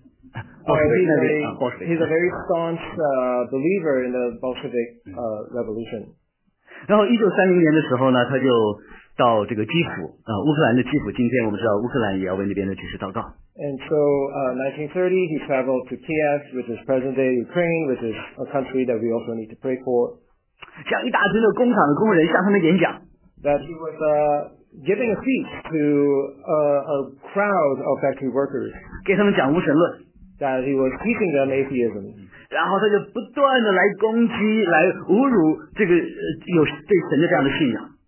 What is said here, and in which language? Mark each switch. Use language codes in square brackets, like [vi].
[en] He's a very staunch believer in the Bolshevik revolution. [zh] 然后1930年的时候呢，他就到这个基辅，乌克兰的基辅。今天我们知道乌克兰也要为那边的局势祷告。 [en] And so, 1930, he traveled to Kiev, which is present-day Ukraine, which is a country that we also need to pray for. [zh] 像一大群的工厂的工人向他们演讲。 [en] That he was giving a speech to a crowd of factory workers. [zh] 给他们讲无神论。 [en] That he was teaching them atheism. [zh] 然后他就不断的来攻击，来侮辱这个有对神的这样的信仰。